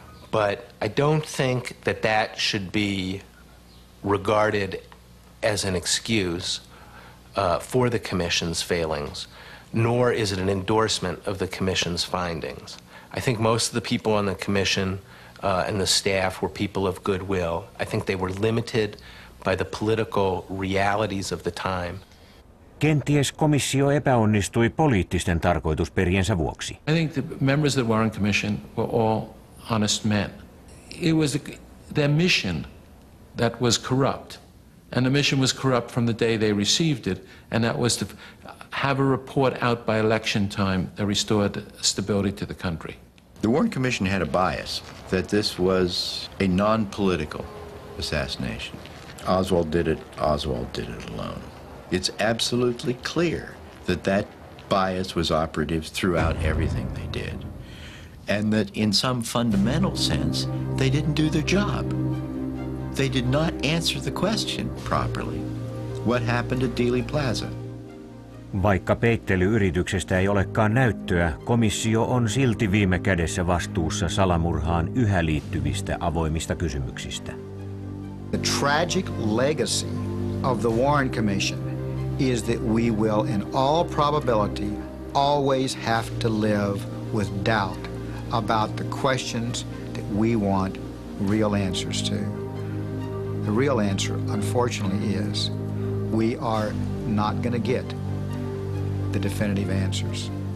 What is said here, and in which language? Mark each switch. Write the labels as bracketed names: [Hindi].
[English] But I don't think that that should be regarded as an excuse for the commission's failings, nor is it an endorsement of the commission's findings. I think most of the people on the commission and the staff were people of goodwill. I think they were limited by the political realities of the time. [Finnish] Kenties komissio epäonnistui poliittisten tarkoitusperiensä vuoksi. [English] I think the members of the Warren Commission were all honest men. It was their mission that was corrupt. And the mission was corrupt from the day they received it, and that was to have a report out by election time that restored stability to the country. The Warren Commission had a bias that this was a non-political assassination. Oswald did it alone. It's absolutely clear that that bias was operative throughout everything they did, and that in some fundamental sense, they didn't do their job. They did not answer the question properly. What happened at Dealey Plaza? [Finnish] Vaikka peittelyyrityksestä ei olekaan näyttöä, komissio on silti viime kädessä vastuussa salamurhaan yhä liittyvistä avoimista kysymyksistä. [English] The tragic legacy of the Warren Commission is that we will, in all probability, always have to live with doubt about the questions that we want real answers to. The real answer, unfortunately, is we are not going to get the definitive answers.